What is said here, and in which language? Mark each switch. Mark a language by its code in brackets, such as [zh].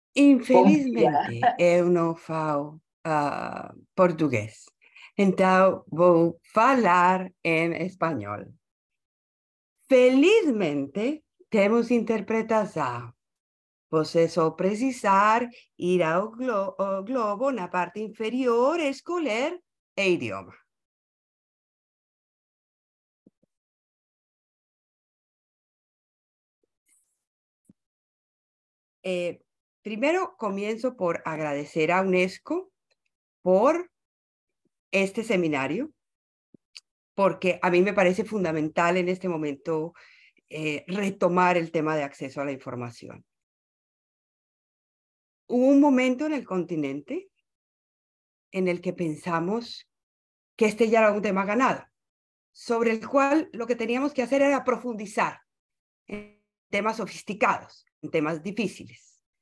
[es] Infelizmente, yo no falo portugués, entonces voy a hablar en español. Felizmente, tenemos interpretación. [pt] Você só precisar ir ao globo na parte inferior e escolher o idioma. Primeiro, começo por agradecer à UNESCO por este seminário, porque a mim me parece fundamental em este momento retomar o tema de acesso à informação. [es] Hubo un momento en el continente en el que pensamos que este ya era un tema ganado, sobre el cual lo que teníamos que hacer era profundizar en temas sofisticados, en temas difíciles.